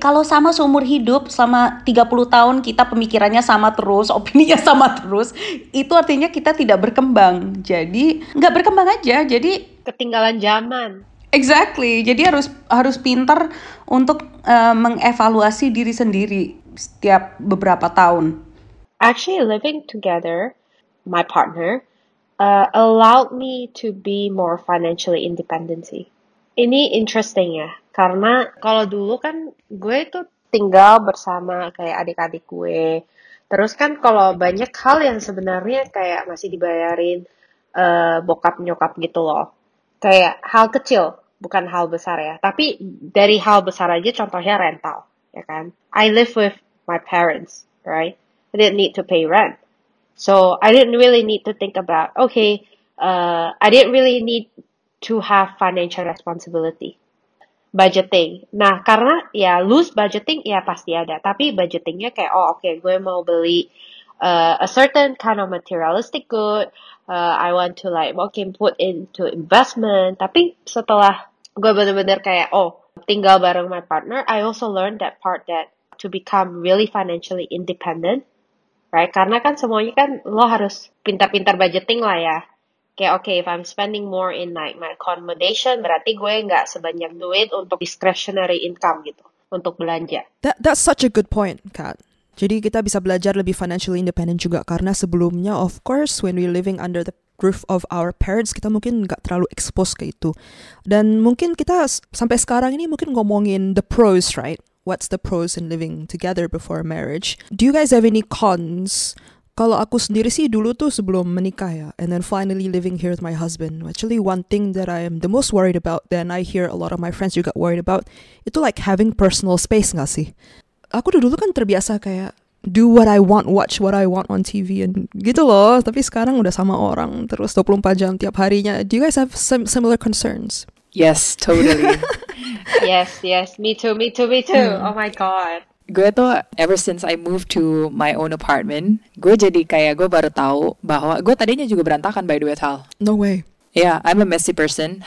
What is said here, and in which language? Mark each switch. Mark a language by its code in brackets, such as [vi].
[id] Kalau sama seumur hidup, selama 30 tahun kita pemikirannya sama terus, opininya sama terus, itu artinya kita tidak berkembang. Jadi nggak berkembang aja. Jadi ketinggalan zaman. [en] Exactly. [id] Jadi harus pintar untuk mengevaluasi diri sendiri setiap beberapa tahun. [en] Actually, living together, my partner allowed me to be more financially independent. [id] Ini interesting ya, karena kalau dulu kan gue tuh tinggal bersama kayak adik-adik gue. Terus kan kalau banyak hal yang sebenarnya kayak masih dibayarin bokap nyokap gitu loh. Kayak hal kecil, bukan hal besar ya. Tapi dari hal besar aja contohnya rental, ya kan? [en] I live with my parents, right? I didn't need to pay rent. So, I didn't really need to think about, okay, I didn't really need to have financial responsibility. [id] Budgeting. Nah, karena ya loose budgeting ya pasti ada. Tapi budgetingnya kayak, oh okay, gue mau beli [en] a certain kind of materialistic good. I want to like, okay, put into investment. [id] Tapi setelah gue benar-benar kayak, oh, tinggal bareng [en] my partner, I also learned that part that to become really financially independent. [id] Right? Karena kan semuanya kan lo harus pintar-pintar budgeting lah ya. [en] Kayak okay, if I'm spending more in like my accommodation, [id] berarti gue gak sebanyak duit untuk discretionary income gitu. Untuk belanja. [en] That's such a good point, Kat. [id] Jadi kita bisa belajar lebih financially independent juga. Karena sebelumnya, [en] of course, when we're living under the roof of our parents, [id] kita mungkin gak terlalu expose ke itu. Dan mungkin kita sampai sekarang ini mungkin ngomongin [en] the pros, right? What's the pros in living together before marriage? Do you guys have any cons? [id] Kalau aku sendiri sih dulu tuh sebelum menikah ya, [en] and then finally living here with my husband. Actually, one thing that I am the most worried about, then I hear a lot of my friends juga worried about, itu like having personal space [id] nggak sih? Aku tuh dulu kan terbiasa kayak [en] do what I want, watch what I want on TV [id] and gitu loh. Tapi sekarang udah sama orang terus 24 jam tiap harinya. [en] Do you guys have similar concerns? Yes, totally. yes, me too. Oh my god. [id] Gue tuh [en] ever since I moved to my own apartment, [id] gue jadi kayak gue baru tahu bahwa gue tadinya juga berantakan [en] by the way, [id] Tal. [en] No way. Yeah, I'm a messy person.